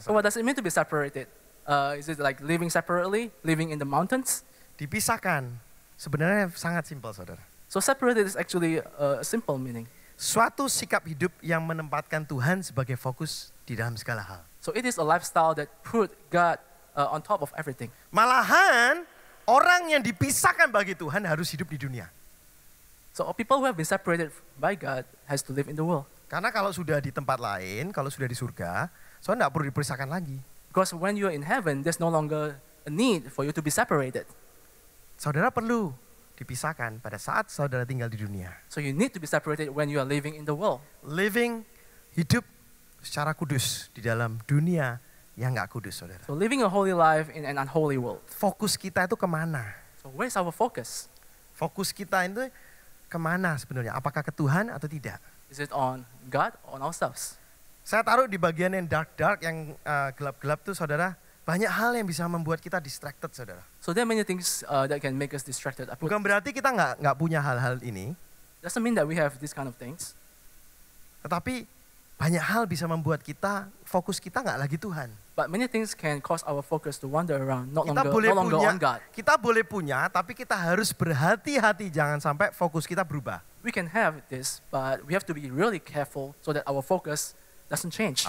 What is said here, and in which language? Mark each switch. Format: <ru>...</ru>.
<en>So what does it mean to be separated? Is it like living separately, living in the mountains?</en> <id>Dipisahkan. Sebenarnya sangat simpel, saudara.</id> <en>So separated is actually a simple meaning.</en> <id>Suatu sikap hidup yang menempatkan Tuhan sebagai fokus di dalam segala hal.</id> <en>So it is a lifestyle that put God on top of everything.</en> <id>Malahan orang yang dipisahkan bagi Tuhan harus hidup di dunia.</id> <en>So people who have been separated by God has to live in the world.</en> <id>Karena kalau sudah di tempat lain, kalau sudah di surga, saudara tidak perlu dipisahkan lagi.</id> <en>Because when you are in heaven, there's no longer a need for you to be separated.</en> <id>Saudara perlu dipisahkan pada saat saudara tinggal di dunia.</id> <en>So you need to be separated when you are living in the world.</en> <id>Living hidup secara kudus di dalam dunia yang enggak kudus, saudara.</id> <en>So living a holy life in an unholy world.</en> <id>Fokus kita itu kemana?</id> <en>So where's our focus?</en> <id>Fokus kita itu kemana sebenarnya? Apakah ke Tuhan atau tidak?</id> <en>Is it on God or on ourselves?</en> <id>Saya taruh di bagian yang dark-dark, yang gelap-gelap itu, saudara. Banyak hal yang bisa membuat kita distracted, saudara.</id> <en>So there are many things that can make us distracted.</en> <id>Bukan berarti kita enggak punya hal-hal ini.</id> <en>Doesn't mean that we have this kind of things.</en> <id>Tetapi banyak hal bisa membuat kita fokus kita enggak lagi Tuhan.</id> <en>But many things can cause our focus to wander around, on God.</en> <id>Kita boleh punya, tapi kita harus berhati-hati jangan sampai fokus kita berubah.</id> <en>We can have this, but we have to be really careful so that our focus doesn't change.</en>